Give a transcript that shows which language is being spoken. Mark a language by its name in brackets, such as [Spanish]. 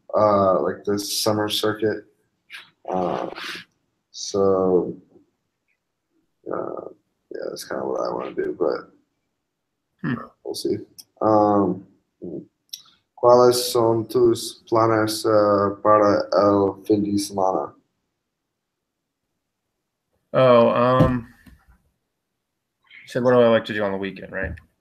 [English] Like the summer circuit, so that's kind of what I want to do, but we'll see. [Spanish] ¿Cuáles son tus planes para el fin de semana? [English] So what do I like to do on the weekend, right?